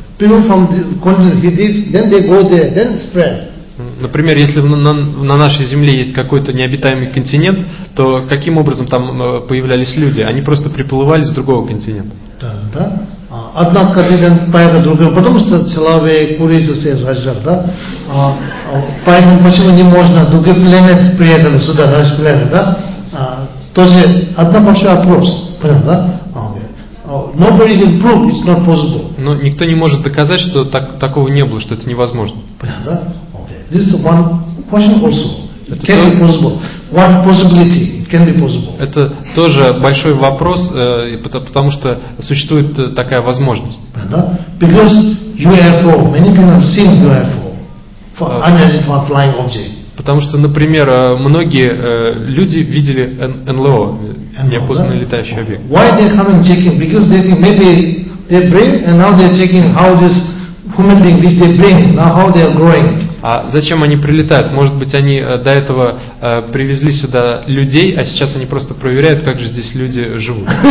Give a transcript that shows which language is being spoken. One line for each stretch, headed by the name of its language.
English: People from the continent he did, then they go there, then spread.
Russian: Например, если на нашей земле есть какой-то необитаемый континент, то каким образом там появлялись люди? Они просто приплывали с другого континента. Да, да. Одна континент поехала другая, потому что человек, курица, все разжал, да? Поэтому почему не можно другие планеты приехали сюда, наши планеты, да? Тоже одна большая вопрос, понятно, да?
English: Nobody can prove it's not possible.
Russian: Но никто не может доказать, что такого не было, что это невозможно.
English: Okay. This is one question also. Can be possible. One possibility. Can be possible.
Russian: Это тоже большой вопрос, потому что существует такая возможность.
English: Because UFO, many people have seen UFO for unidentified flying object.
Russian: Потому что, например, многие люди видели НЛО, неопознанный летающий объект.
English: Why they come and checking? Because they think maybe they bring and now they're checking how this human being which they bring, now how they are growing.
Russian: А зачем они прилетают? Может быть, они до этого привезли сюда людей, а сейчас они просто проверяют, как же здесь люди живут.